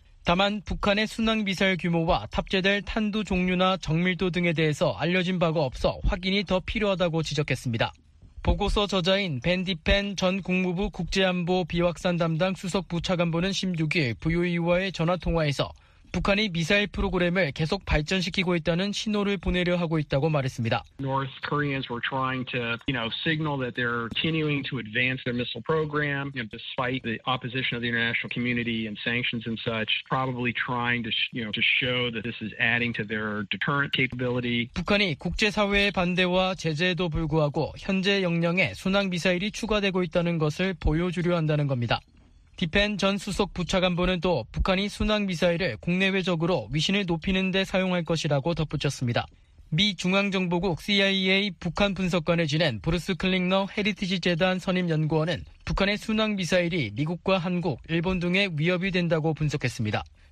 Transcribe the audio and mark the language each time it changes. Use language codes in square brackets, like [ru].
[ko] 다만 북한의 순항미사일 규모와 탑재될 탄두 종류나 정밀도 등에 대해서 알려진 바가 없어 확인이 더 필요하다고 지적했습니다. 보고서 저자인 벤 디펜 전 국무부 국제안보 비확산 담당 수석부차관보는 16일 VOA와의 전화통화에서 북한이 미사일 프로그램을 계속 발전시키고 있다는 신호를 보내려 하고 있다고 말했습니다. [en] North Koreans were trying to, you know, signal that they're continuing to advance their missile program, you know, despite the opposition of the international community and sanctions and such, probably trying to, you know, to show that this is adding to their deterrent capability. [ko] 북한이 국제사회의 반대와 제재에도 불구하고 현재 역량에 순항 미사일이 추가되고 있다는 것을 보여주려 한다는 겁니다. 디펜 전 수석 부차관보는 또 북한이 순항미사일을 국내외적으로 위신을 높이는 데 사용할 것이라고 덧붙였습니다. 미 중앙정보국 CIA 북한 분석관을 지낸 브루스 클링너 헤리티지 재단 선임 연구원은 북한의 순항 미사일이 미국과 한국, 일본 등에 위협이 된다고 분석했습니다.